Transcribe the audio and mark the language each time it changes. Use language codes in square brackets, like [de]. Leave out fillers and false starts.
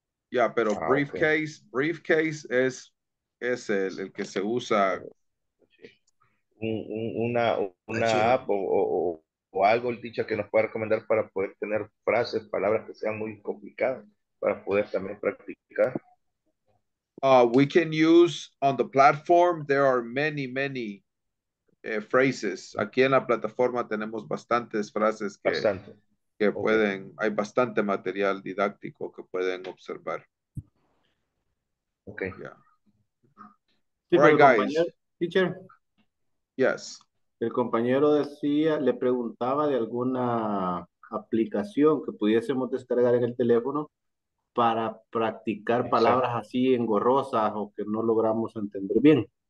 [es] Yeah, pero briefcase es el que se usa una app o algo el teacher que nos pueda recomendar para poder tener frases, palabras que sean muy complicadas para poder también practicar? [en] We can use on the platform, there are many phrases. [es] Aquí en la plataforma tenemos bastantes frases que pueden, hay bastante material didáctico que pueden observar. Okay. Yeah. [en] Sí, right, guys. Teacher. Yes. [es] El compañero decía, le preguntaba de alguna aplicación que pudiésemos descargar en el teléfono para practicar palabras así engorrosas o que no logramos entender bien.